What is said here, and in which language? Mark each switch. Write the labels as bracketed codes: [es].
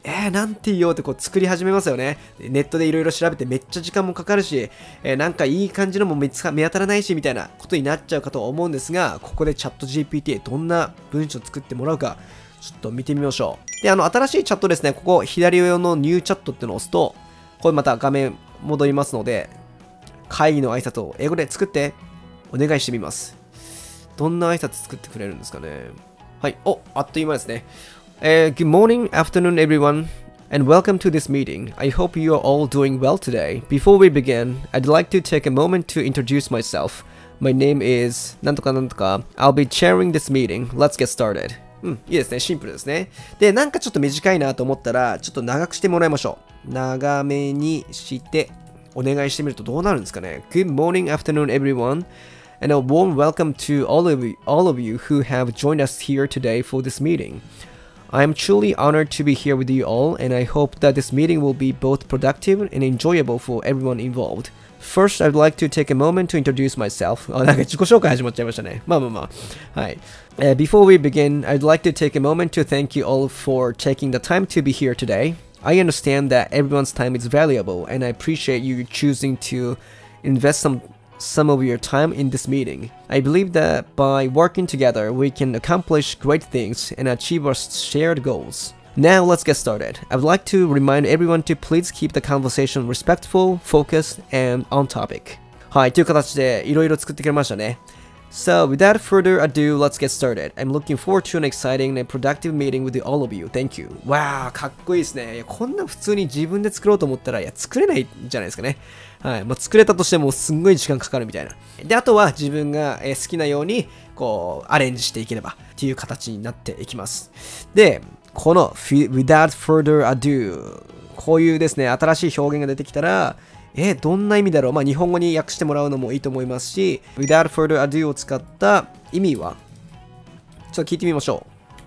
[ja] なんて言おうってこう作り始めますよね。ネットでいろいろ調べてめっちゃ時間もかかるし、なんかいい感じのも見当たらないしみたいなことになっちゃうかと思うんですが、ここでチャット GPT どんな文章作ってもらうかちょっと見てみましょう。で、新しいチャットですね、ここ左上のニューチャットってのを押すと、これまた画面戻りますので、会議の挨拶を英語で作ってお願いしてみます。どんな挨拶作ってくれるんですかね。はい、お、あっという間ですね。 [en] Good morning, afternoon, everyone, and welcome to this meeting. I hope you are all doing well today. Before we begin, I'd like to take a moment to introduce myself. My name is [ja] なんとかなんとか。 [en] I'll be chairing this meeting. Let's get started. [ja] うん、いいですね。シンプルですね。で、なんかちょっと短いなと思ったら、ちょっと長くしてもらいましょう。長めにしてお願いしてみるとどうなるんですかね。 [en] Good morning, afternoon, everyone, and a warm welcome to all of you who have joined us here today for this meeting. I am truly honored to be here with you all, and I hope that this meeting will be both productive and enjoyable for everyone involved. First, I'd like to take a moment to introduce myself. [ja] あ、なんか自己紹介始まっちゃいましたね。まあまあまあ。はい。 [en] Before we begin, I'd like to take a moment to thank you all for taking the time to be here today. I understand that everyone's time is valuable, and I appreciate you choosing to invest some some of your time in this meeting. I believe that by working together, we can accomplish great things and achieve our shared goals. Now let's get started. I would like to remind everyone to please keep the conversation respectful, focused, and on topic. [ja] はい、という形でいろいろ作ってくれましたね。 [en] So without further ado, let's get started. I'm looking forward to an exciting and productive meeting with all of you. Thank you. [ja] わあ、かっこいいですね。こんな普通に自分で作ろうと思ったら、いや、作れないじゃないですかね。はい、まあ、作れたとしてもすんごい時間かかるみたいな。で、あとは自分が好きなようにこうアレンジしていければっていう形になっていきます。で、この [en] without further ado、 [ja] こういうですね、新しい表現が出てきたら、どんな意味だろう、まあ、日本語に訳してもらうのもいいと思いますし、 without further ado を使った意味はちょっと聞いてみましょう。